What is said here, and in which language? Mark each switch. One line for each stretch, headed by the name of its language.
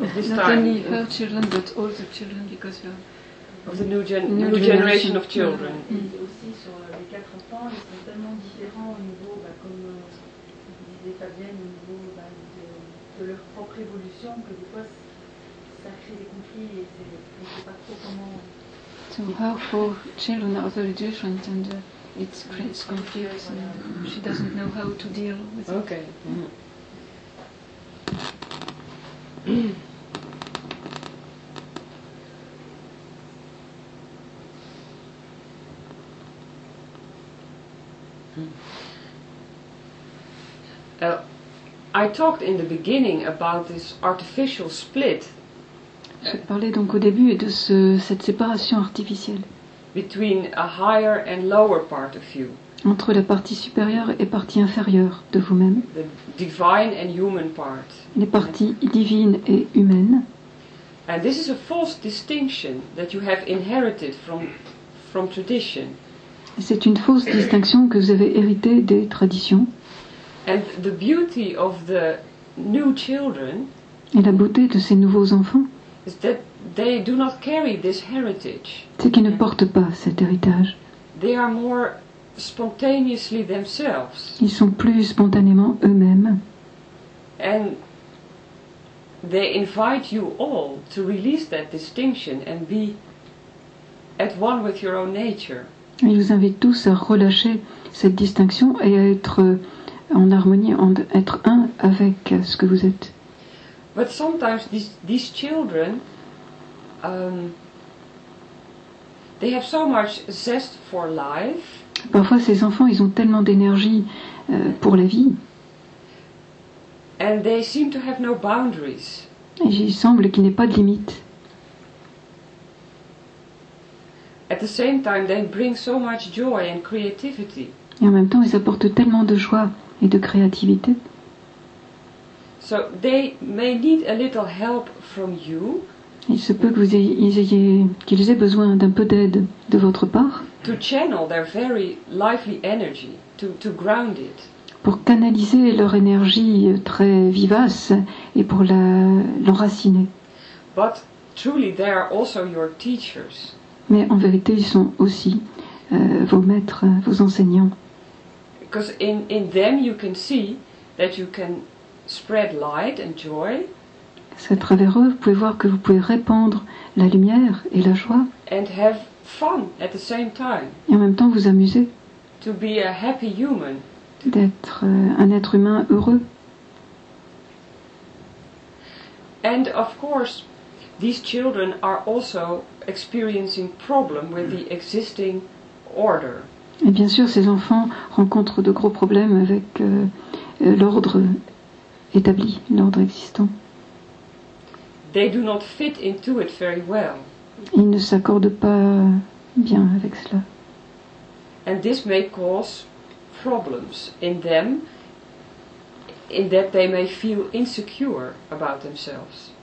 English: Children, but all the children because we are of the new generation of children.
French: Et aussi sur les quatre enfants, ils sont tellement différents au niveau, bah, comme disait Fabienne, au niveau bah, de leur propre évolution, que des fois ça crée des conflits et on ne sait pas trop comment.
English: So how four children are very different and it creates conflicts. She doesn't know how to deal with it. Okay. I talked in the beginning about this artificial split.
French: Je parlais donc au début de cette séparation artificielle.
English: Between a higher and lower part of you.
French: Entre la partie supérieure et partie inférieure de vous-même.
English: The divine and human part.
French: Les parties divines et humaines.
English: And this is a false distinction that you have inherited from tradition.
French: C'est une fausse distinction que vous avez héritée des traditions.
English: And the beauty of the new children,
French: et la beauté de ces nouveaux enfants,
English: is that they do not carry this heritage.
French: C'est qu'ils ne portent pas cet héritage.
English: They are more spontaneously themselves.
French: Ils sont plus spontanément eux-mêmes.
English: And they invite you all to release that distinction and be at one with your own nature.
French: Ils vous invitent tous à relâcher cette distinction et à être en harmonie, à être un avec ce que vous êtes.
English: But sometimes these children, they have so much zest for life.
French: Parfois, ces enfants, ils ont tellement d'énergie pour la vie.
English: And they seem to have no boundaries.
French: Et il semble qu'il n'y ait pas de limites.
English: At the same time, they bring so much joy and creativity.
French: Et en même temps, ils apportent tellement de joie et de créativité.
English: So they may need a little help from you.
French: Il se peut que vous ayez, qu'ils aient besoin d'un peu d'aide de votre part.
English: To channel their very lively energy, to ground it.
French: Pour canaliser leur énergie très vivace et pour la l'enraciner.
English: But truly, they are also your teachers.
French: Mais en vérité, ils sont aussi vos maîtres, vos enseignants.
English: Because in them you can see that you can spread light and joy.
French: C'est à travers eux, vous pouvez voir que vous pouvez répandre la lumière et la joie.
English: And have fun at the same time.
French: Et en même temps, vous amuser.
English: To be a happy human.
French: D'être un être humain heureux.
English: And of course, these children are also experiencing problems with the existing order.
French: Et bien sûr, ces enfants rencontrent de gros problèmes avec l'ordre établi, l'ordre existant.
English: They do not fit into it very well.
French: Ils ne s'accordent pas bien avec cela.
English: And this may cause problems in them, in that they may feel insecure about themselves.